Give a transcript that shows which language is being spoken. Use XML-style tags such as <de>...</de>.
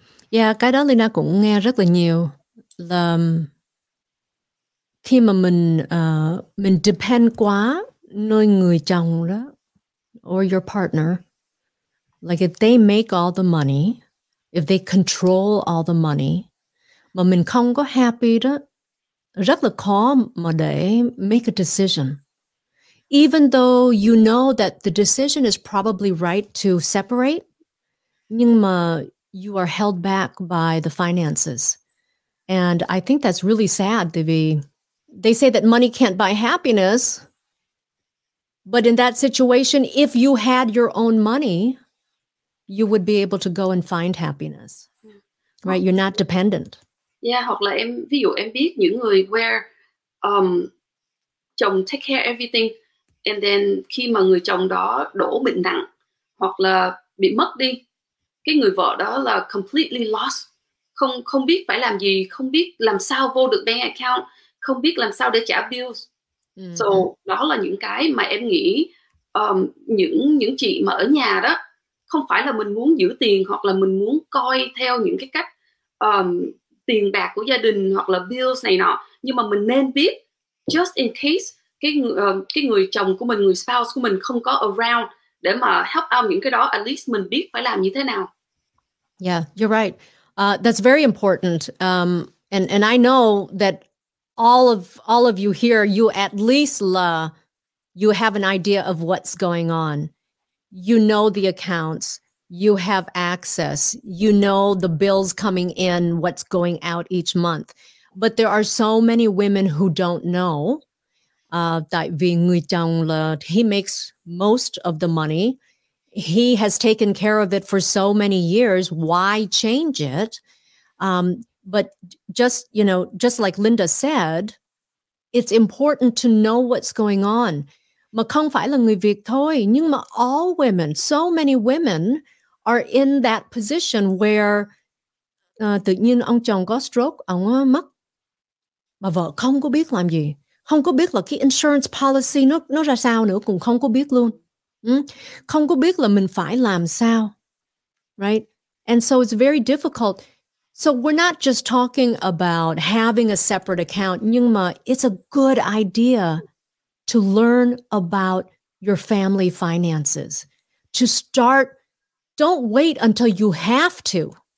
<vi>Yeah, cái đó Leyna cũng nghe rất là nhiều. Là khi mà mình depend quá nơi người chồng đó</vi> <en>or your partner, like if they make all the money,</en> <vi>if they control all the money, mà mình không có happy đó, rất là khó mà để</vi> <en>make a decision. Even though you know that the decision is probably right to separate,</en> <vi>nhưng mà</vi> <en>you are held back by the finances. And I think that's really sad. They say that money can't buy happiness. But in that situation, if you had your own money, you would be able to go and find happiness. Yeah. Right? You're not dependent.</en> <vi>Yeah, hoặc là em, ví dụ em biết những người where chồng</vi> <en>take care everything</en> <vi>and then khi mà người chồng đó đổ bệnh nặng hoặc là bị mất đi, cái người vợ đó là</vi> <en>completely lost.</en> <vi>Không biết phải làm gì, không biết làm sao vô được bank account, không biết làm sao để trả bills. So đó là những cái mà em nghĩ những chị mà ở nhà đó, không phải là mình muốn giữ tiền hoặc là mình muốn coi theo những cái cách tiền bạc của gia đình hoặc là bills này nọ, nhưng mà mình nên biết</vi> <en>just in case</en> <vi>cái người chồng của mình, người spouse của mình không có around để mà</vi> <en>help out</en> <vi>những cái đó,</vi> <en>at least</en> <vi>mình biết phải làm như thế nào.</vi> <en>Yeah, you're right. That's very important. And I know that all of you here, you at least you have an idea of what's going on. You know the accounts, you have access, you know the bills coming in, what's going out each month. But there are so many women who don't know.</en> <vi>Tại vì người chồng là,</vi> <en>he makes most of the money. He has taken care of it for so many years. Why change it? But just, you know, just like Leyna said, it's important to know what's going on.</en> <vi>Mà không phải là người Việt thôi, nhưng mà</vi> <en>all women, so many women are in that position where</en> <vi>tự nhiên ông chồng có stroke, ông mất, mà vợ không có biết làm gì, không có biết là cái insurance policy nó ra sao nữa, cũng không có biết luôn. Không có biết là mình phải làm sao, right?</vi> <en>And so it's very difficult. So we're not just talking about having a separate account,</en> <vi>nhưng mà</vi> <en>it's a good idea to learn about your family finances, to start, don't wait until you have to.</en>